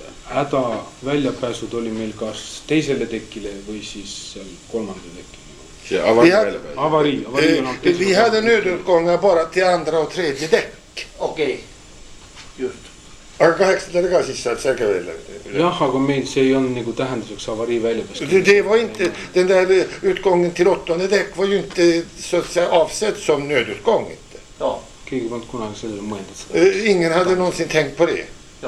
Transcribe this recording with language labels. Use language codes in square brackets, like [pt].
[et] Häda väljapääsud oli meil kas teisele tekkile või siis kolmandele tekkile. [sv] Vi hade nödutgångar bara till andra och tredje däck. Okej, just. [et] Aga kaheksandale ka siis saad selge välja? Jah, aga meil see ei olnud nagu tähenduseks avarii väljapääsud. [sv] Det var inte, den där utgången till åttonde däck var ju inte avsett som nödutgång. [et] Keegi pannud kunagi sellele mõeldud [sv] seda. Ingen hade någonsin tänkt på det.